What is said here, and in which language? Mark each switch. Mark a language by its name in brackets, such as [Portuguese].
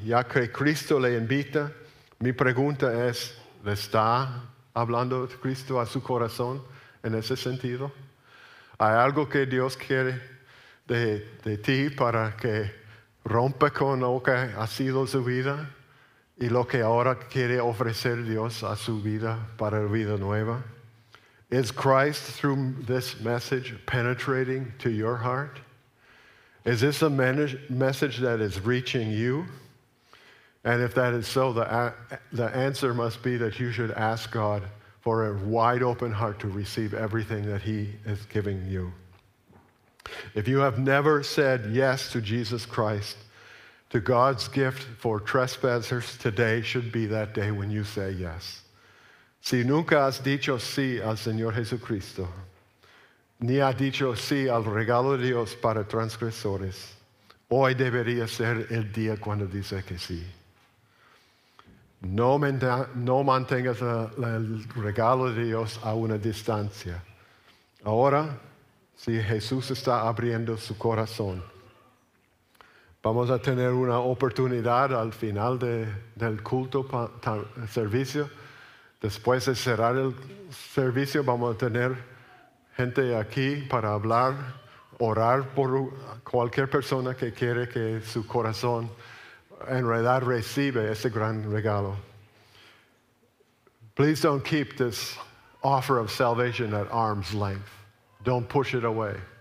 [Spanish] Ya que Cristo le invita, mi pregunta es, ¿le está hablando Cristo a su corazón en ese sentido? ¿Hay algo que Dios quiere de ti para que rompa con lo que ha sido su vida? Y lo que ahora quiere ofrecer Dios a su vida para la vida nueva. [English] Is Christ through this message penetrating to your heart? Is this a message that is reaching you? And if that is so, the answer must be that you should ask God for a wide open heart to receive everything that he is giving you. If you have never said yes to Jesus Christ, to God's gift for trespassers, today should be that day when you say yes. [Spanish] Si nunca has dicho sí al Señor Jesucristo, ni has dicho sí al regalo de Dios para transgresores, hoy debería ser el día cuando dice que sí. No mantengas el regalo de Dios a una distancia. Ahora, si Jesús está abriendo su corazón, vamos a tener una oportunidad al final del culto servicio. Después de cerrar el servicio, vamos a tener gente aquí para hablar, orar por cualquier persona que quiere que su corazón en realidad recibe ese gran regalo. [English] Please don't keep this offer of salvation at arm's length. Don't push it away.